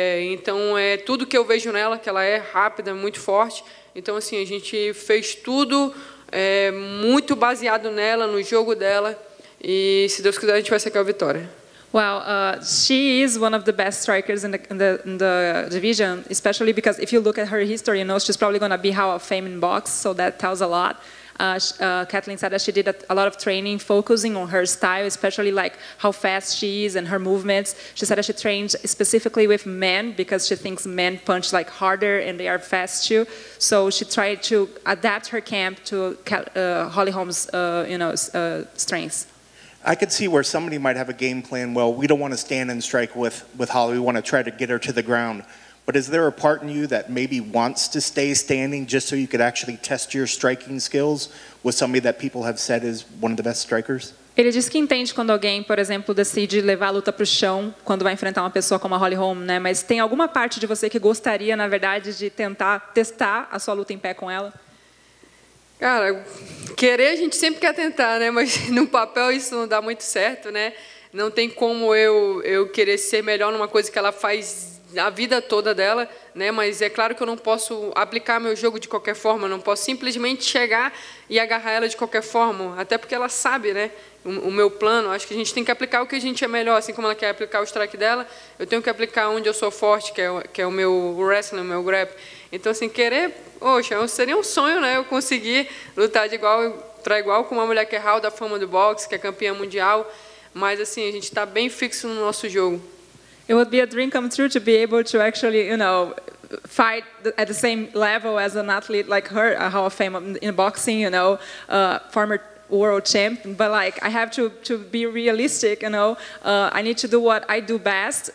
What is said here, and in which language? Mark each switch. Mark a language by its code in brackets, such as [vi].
[pt] Então, é tudo que eu vejo nela, que ela é rápida, muito forte. Então, assim, a gente fez tudo muito baseado nela, no jogo dela. E, se Deus quiser, a gente vai sacar a vitória. [en] Well, she is one of the best strikers in the division, especially because if you look at her history, you know, she's probably going to be Hall of Fame in box, so that tells a lot. Kathleen said that she did a lot of training focusing on her style, especially like how fast she is and her movements. She said that she trained specifically with men because she thinks men punch like harder and they are fast too. So she tried to adapt her camp to Holly Holm's strengths. I could see where somebody might have a game plan. Well, we don't want to stand and strike with Holly. We want to try to get her to the ground. But is there a part in you that maybe wants to stay standing just so you could actually test your striking skills with somebody that people have said is one of the best strikers? [pt] Ele diz que entende quando alguém, por exemplo, decide levar a luta para o chão quando vai enfrentar uma pessoa como a Holly Holm, né? Mas tem alguma parte de você que gostaria, na verdade, de tentar testar a sua luta em pé com ela? Cara, querer a gente sempre quer tentar, né? Mas no papel isso não dá muito certo, né? Não tem como eu querer ser melhor numa coisa que ela faz a vida toda dela, né? Mas é claro que eu não posso aplicar meu jogo de qualquer forma, não posso simplesmente chegar e agarrar ela de qualquer forma, até porque ela sabe, né, o meu plano. Acho que a gente tem que aplicar o que a gente é melhor, assim como ela quer aplicar o strike dela, eu tenho que aplicar onde eu sou forte, que é o meu wrestling, o meu grab. Então, assim, querer, poxa, seria um sonho, né, eu conseguir lutar de igual para igual com uma mulher que é Hall da Fama do boxe, que é campeã mundial, mas, assim, a gente está bem fixo no nosso jogo. [en] It would be a dream come true to be able to actually, you know, fight at the same level as an athlete like her, a Hall of Fame in boxing, you know, former world champ. But like, I have to be realistic, you know, I need to do what I do best.